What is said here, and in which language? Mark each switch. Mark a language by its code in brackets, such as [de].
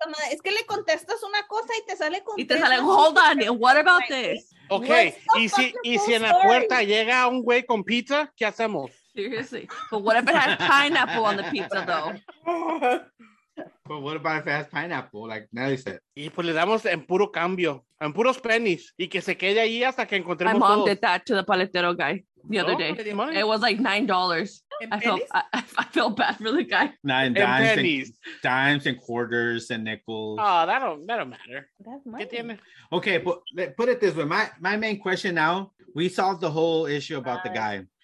[es] Es que le contestas una cosa y te sale con. Y te sale, [en] hold on, what about this? [es] Okay, y si en la puerta llega un güey con pizza, ¿qué hacemos? [en] Seriously, but what if it has pineapple on the pizza, though? But what about if it has pineapple, like Nelly said? [es] Y pues le damos en puro cambio, en puros pennies, y que se quede ahí hasta que encontremos todos. [en] My mom [es] todos. [en] Did that to the paletero guy the other day. It was like $9. I felt bad for the guy. Nine dimes and pennies. And dimes and quarters and nickels. Oh, that don't matter. That's money. Okay, but put it this way. My main question now, we solved the whole issue about the guy.